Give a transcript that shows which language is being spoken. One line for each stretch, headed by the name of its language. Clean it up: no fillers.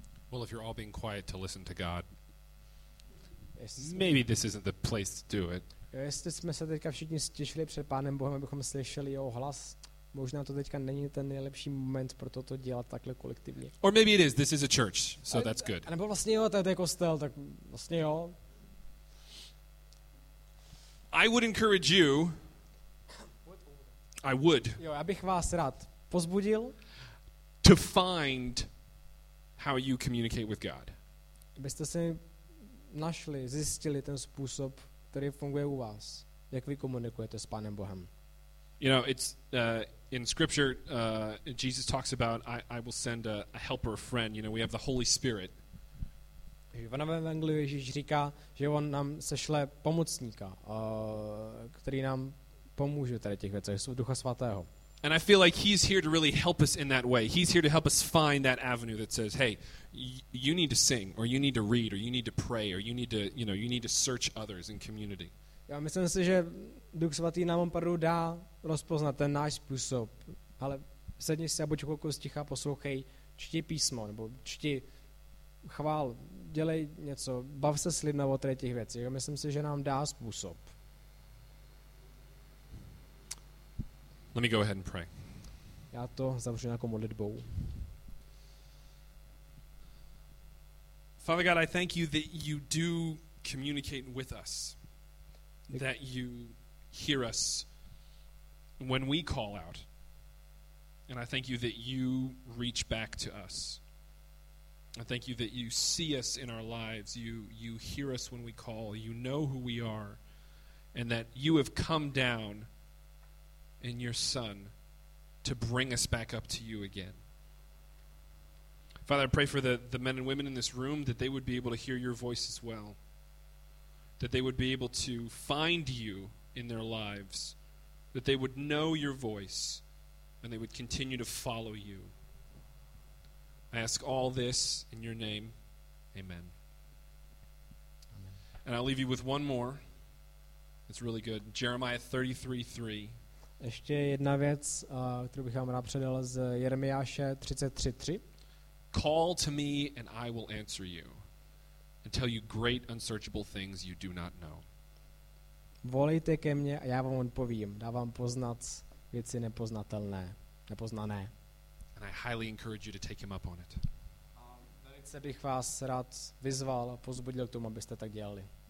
English: Well, if you're all being quiet to listen to God, maybe this isn't the place to do it.
Czech: Jestli jsme se teďka všichni stišili před Pánem Bohem, abychom slyšeli jeho hlas, možná to teďka není ten nejlepší moment pro toto dělat takhle kolektivně.
English: Or maybe it is. This is a church, so that's good.
Czech: A nebo vlastně jo, tady je kostel, tak vlastně jo.
English: I would encourage you. I would.
Czech: Jo, já bych vás rád pozbudil.
English: To find how you communicate with God.
Czech: Byste si našli, zjistili ten způsob, který funguje u vás, jak vy komunikujete s Pánem Bohem.
English: You know, it's in scripture Jesus talks about I will send a helper, a friend, you know, we have the Holy Spirit.
Czech: V Evangeliu Ježíš říká, že on nám sešle pomocníka, který nám pomůže tady těch věcech, Ducha svatého.
English: And I feel like he's here to really help us in that way. He's here to help us find that avenue that says, hey, you need to sing, or you need to read, or you need to pray, or you need to, you know, you need to search others in community.
Czech: Já myslím si, že Duch svatý nám opravdu dá rozpoznat ten náš způsob. Ale sedni si a buď chvilku sticha, poslouchej, čti písmo, nebo čti chvál, dělej něco, bav se s lidmi o těch věcech. Já myslím si, že nám dá způsob.
English: Let me go ahead and pray.
Czech: Já to zavřu nějakou modlitbou.
English: Father God, I thank you that you do communicate with us. That you hear us when we call out. And I thank you that you reach back to us. I thank you that you see us in our lives. You hear us when we call. You know who we are, and that you have come down in your Son to bring us back up to you again. Father, I pray for the men and women in this room that they would be able to hear your voice as well, that they would be able to find you in their lives, that they would know your voice, and they would continue to follow you. I ask all this in your name. Amen. Amen. And I'll leave you with one more. It's really good. Jeremiah 33:3.
Czech: Ještě jedna věc, kterou bych vám rád předal z Jeremiáše 33:3.
English: Call to me and I will answer you and tell you great unsearchable things you do not know.
Czech: Volejte ke mně a já vám odpovím, dávám poznat věci nepoznatelné, nepoznané.
English: And I highly encourage you to take him up on it.
Czech: A velice bych vás rád vyzval a pozbudil k tomu, abyste tak dělali.